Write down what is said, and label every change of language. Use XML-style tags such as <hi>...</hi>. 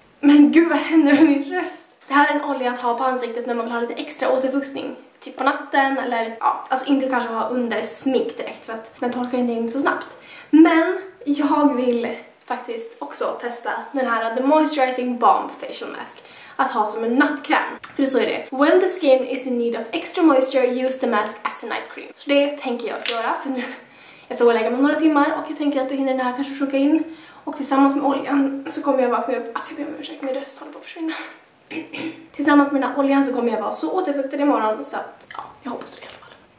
<sv>Men gud vad händer med min röst? Det här är en olja att ha på ansiktet när man vill ha lite extra återfuktning. Typ på natten eller ja, alltså inte kanske ha under smink direkt för att den torkar inte in så snabbt. Men jag vill faktiskt också testa den här The Moisturizing Balm Facial Mask. Att ha som en nattkräm. För så är det.</sv> <en>When the skin is in need of extra moisture, use the mask as a night cream.</en> <sv>Så det tänker jag göra. För nu, jag ska gå och lägga mig några timmar. Och jag tänker att du hinner den här kanske sjunka in. Och tillsammans med oljan så kommer jag vakna upp. Alltså jag ber om ursäkt, min röst håller på att försvinna. Tillsammans med den här oljan så kommer jag vara så återfuktad imorgon. Så att, ja, jag hoppas det i alla fall.</sv>